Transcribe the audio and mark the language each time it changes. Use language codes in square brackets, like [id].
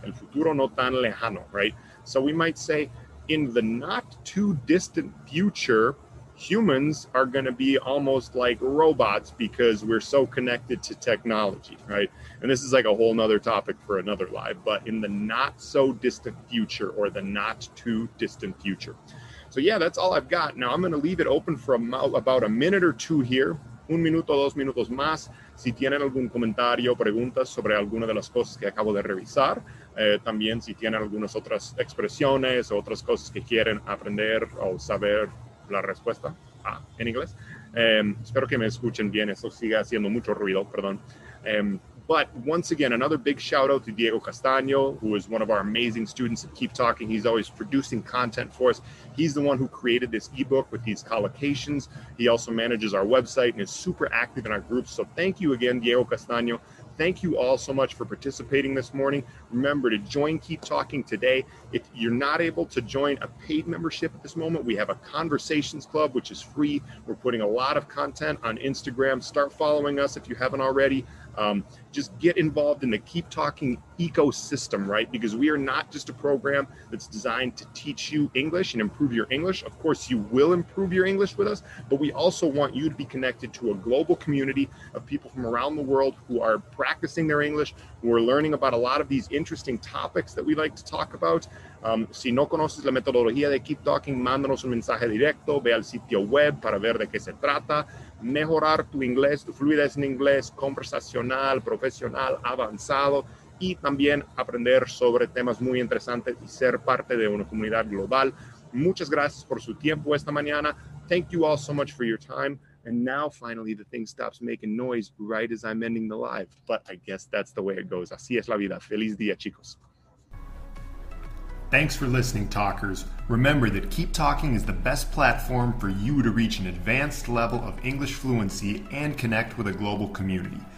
[en] El futuro no tan lejano, right? So we might say in the not too distant future, humans are going to be almost like robots because we're so connected to technology, right? And this is like a whole nother topic for another live, but in the not so distant future or the not too distant future. So yeah, that's all I've got. Now I'm going to leave it open for about a minute or two here. [es] Un minuto, dos minutos más. Si tienen algún comentario, preguntas sobre alguna de las cosas que acabo de revisar. También si tienen algunas otras expresiones o otras cosas que quieren aprender o saber la respuesta en inglés. Espero que me escuchen bien. Eso sigue haciendo mucho ruido, perdón. [en] But once again, another big shout out to Diego Castaño, who is one of our amazing students at Keep Talking. He's always producing content for us. He's the one who created this ebook with these collocations. He also manages our website and is super active in our groups. So thank you again, Diego Castaño. Thank you all so much for participating this morning. Remember to join Keep Talking today. If you're not able to join a paid membership at this moment, we have a Conversations Club, which is free. We're putting a lot of content on Instagram. Start following us if you haven't already. Just get involved in the Keep Talking ecosystem, right? Because we are not just a program that's designed to teach you English and improve your English. Of course, you will improve your English with us, but we also want you to be connected to a global community of people from around the world who are practicing their English, who are learning about a lot of these interesting topics that we like to talk about. [es] Si no conoces la metodología de Keep Talking, mándanos un mensaje directo, ve al sitio web para ver de qué se trata. Mejorar tu inglés, tu fluidez en inglés, conversacional, profesional, avanzado, y también aprender sobre temas muy interesantes y ser parte de una comunidad global. Muchas gracias por su tiempo esta mañana. [en] Thank you all so much for your time. And now, finally, the thing stops making noise right as I'm ending the live. But I guess that's the way it goes. Así es la vida. Feliz día, chicos. Thanks for listening, talkers. Remember that Keep Talking is the best platform for you to reach an advanced level of English fluency and connect with a global community.